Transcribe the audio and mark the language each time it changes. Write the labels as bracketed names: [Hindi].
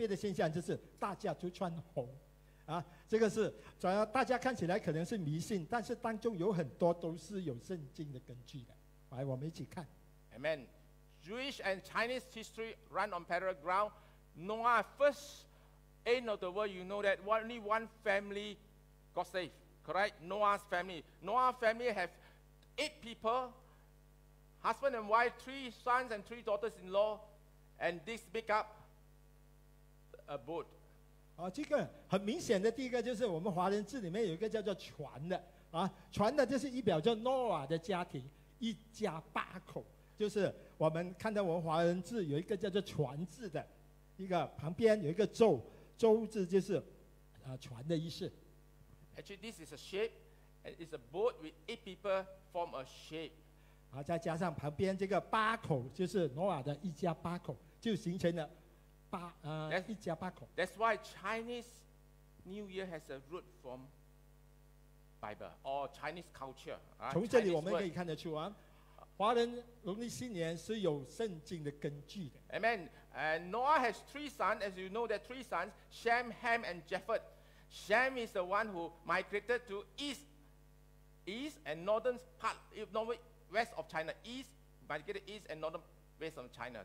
[Chinese] 我们在华人农历新年的时候有一个很特别的现象，就是大家都穿红。这个是主要大家看起来可能是迷信，但是当中有很多都是有圣经的根据的。来，我们一起看。 [English] Amen. Jewish and Chinese history run on parallel ground. Noah, first end of the world, you know that only one family got saved, correct? Noah's family. Noah's family have 8 people, husband and wife, 3 sons and 3 daughters-in-law, and this make up a boat. [Chinese] 这个很明显的第一个就是我们华人字里面有一个叫做船的，船的就是一表叫Noah的家庭，一家八口。就是我们看到我们华人字有一个叫做船字的，一个旁边有一个舟，舟字就是船的意思。 [English] Actually, this is a ship, and it's a boat with 8 people form a ship. [Chinese] 再加上旁边这个八口，就是挪亚的一家八口，就形成了一家八口。 [English] That's why Chinese New Year has a root from Bible or Chinese culture. [Chinese] 从这里我们可以看得出啊。华人农历新年是有圣经的根据的。Amen. [English] And Noah has 3 sons, as you know, that 3 sons, Shem, Ham, and Japheth. Shem is the one who migrated to east and northern part, northwest of China. East, migrated east and northern west of China.